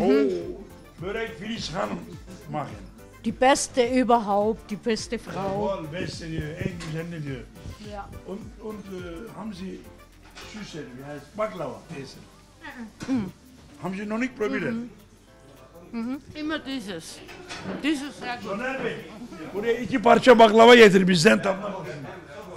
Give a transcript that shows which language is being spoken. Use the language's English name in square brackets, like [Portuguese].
[German] Oh, Börek will ich haben machen. Die beste überhaupt, die beste Frau. [Turkish] Jawohl, beste diyor, en güzelini diyor. [German] Ja. Und haben Sie Süße, wie heißt Baklava? Diese. Haben Sie noch nicht probiert? Mm-hmm. Immer dieses. Dieses sehr gut. [Turkish] Soner Bey, buraya iki parça baklava getir bizden tamla bakalım.